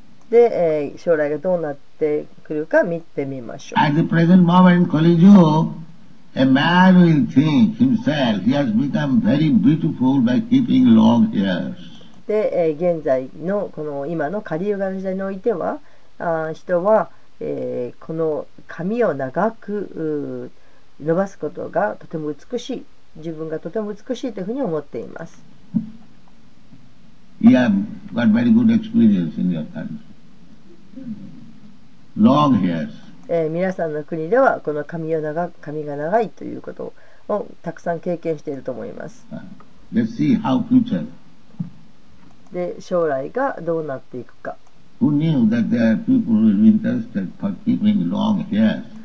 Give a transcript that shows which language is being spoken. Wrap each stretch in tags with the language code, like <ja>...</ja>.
<ja>で、将来がどうなってくるか見てみましょう。</ja> <en>At the present moment, カリユガA man will think himself he has become very beautiful by keeping long hairs.</en> <ja>で、現在のこの今のカリユガの時代においては、人は、この髪を長く伸ばすことがとても美しい、自分がとても美しいというふうに思っています。</ja> <en>You have got very good experience in your country. Long hairs.</en> <ja>皆さんの国ではこの髪が長いということをたくさん経験していると思います。</ja> <en>Let's see how future.</en> <ja>で、将来がどうなっていくか。</ja> <en>Who knew that there are people who are interested for keeping long hair?</en>